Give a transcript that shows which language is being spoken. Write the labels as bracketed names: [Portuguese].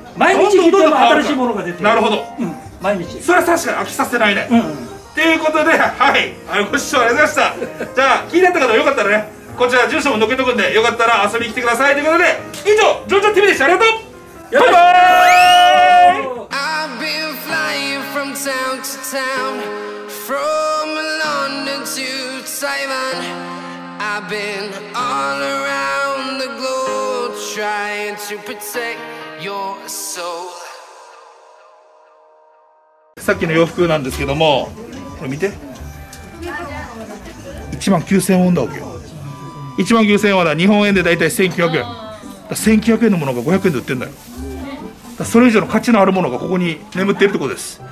[Japanese] 毎日来ても新しいものが出てる。なるほど。うん、毎日。それは確かに飽きさせないね。うん。っていうことで、はい、はい、ご視聴ありがとうございました。じゃあ、気になった方はよかったらね、こちら住所も載けとくんで、よかったら遊びに来てください。ということで、以上、ジョジョ TV でした。ありがとう。バイバーイ。 [English] I've been flying from town to town, from London to Taiwan. I've been all around the globe trying to protect your soul. [Japanese] さっきの洋服なんですけども、これ見て。 1万9000ウォンだわけよ。1万9000ウォンだ。日本円でだいたい1900円。 1900円のものが500円で売ってるんだよ。だそれ以上の価値のあるものがここに眠っているところです。